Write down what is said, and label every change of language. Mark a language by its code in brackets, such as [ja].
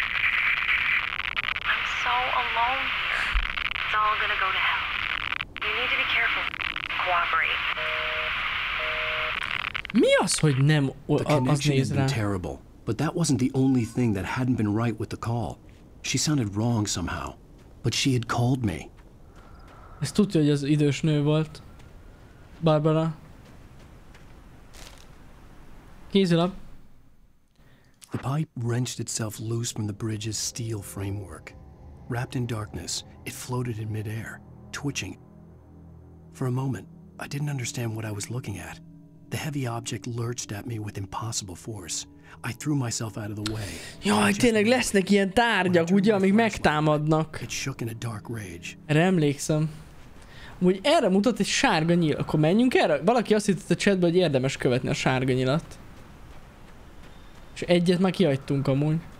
[en] I'm so alone here. It's all gonna go to hell. You need to be careful. Cooperate. [hu] Mi az, hogy nem az néz rá? [en] The connection had been terrible, but that wasn't the only thing that hadn't been right with the call. She sounded wrong somehow, but she had called me. [hu] Ezt tudja, hogy az idős nő volt, Barbara. Kézilap. [en] The pipe wrenched itself loose from the bridge's steel framework. Wrapped in darkness, it floated in midair, twitching. For a moment, I didn't understand what I was looking at. The heavy object lurched at me with impossible force. I threw myself out of the way. [hu] Jaj, tényleg lesznek ilyen tárgyak, ugye, amik megtámadnak. [en] It shook in a dark rage. [hu] Erre emlékszem. Úgy erre mutat egy sárga nyíl, akkor menjünk erre? Valaki azt hittett a chatben, hogy érdemes követni a sárga nyilat. És egyet már kihagytunk amúgy.